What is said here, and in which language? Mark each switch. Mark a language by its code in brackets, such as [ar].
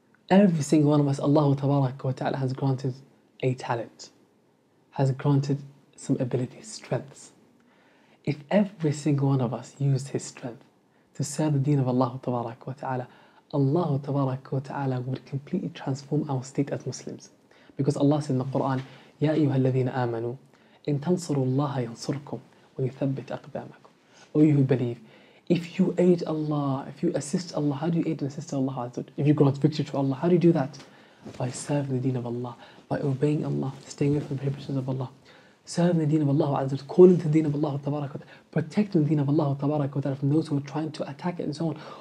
[en] Every single one of us, Allah Tabarak wa Ta'ala has granted a talent, has granted some abilities, strengths. If every single one of us used his strength to serve the deen of Allah Tabarak wa Ta'ala, Allah Tabarak wa Ta'ala would completely transform our state as Muslims. Because Allah said in the Quran, [ar] يَا أَيُّهَا الَّذِينَ آمَنُوا إِن تَنْصُرُوا اللَّهَ يَنْصُرْكُمْ وَيُثَبِّتْ أَقْدَامَكُمْ. [en] O you who believe, if you aid Allah, if you assist Allah, how do you aid and assist Allah? If you grant victory to Allah, how do you do that? By serving the deen of Allah, by obeying Allah, staying away from the prohibitions of Allah, serving the deen of Allah, calling to the deen of Allah, protecting the deen of Allah from those who are trying to attack it and so on.